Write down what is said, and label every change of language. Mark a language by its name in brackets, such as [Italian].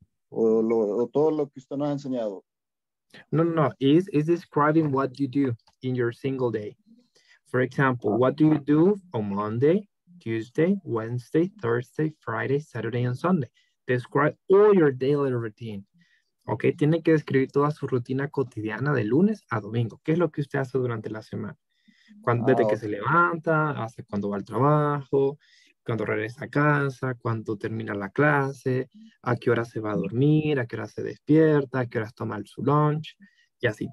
[Spanish] ¿O todo lo que usted nos ha enseñado? No. [English] It's describing what you do in your single day. For example, what do you do on Monday, Tuesday, Wednesday, Thursday, Friday, Saturday, and Sunday? Describe all your daily routine. [Spanish] Ok, tiene que describir toda su rutina cotidiana de lunes a domingo. ¿Qué es lo que usted hace durante la semana? Desde que se levanta, hasta cuando va al trabajo, cuando regresa a casa, cuando termina la clase, a qué hora se va a dormir, a qué hora se despierta, a qué horas toma su lunch, y así.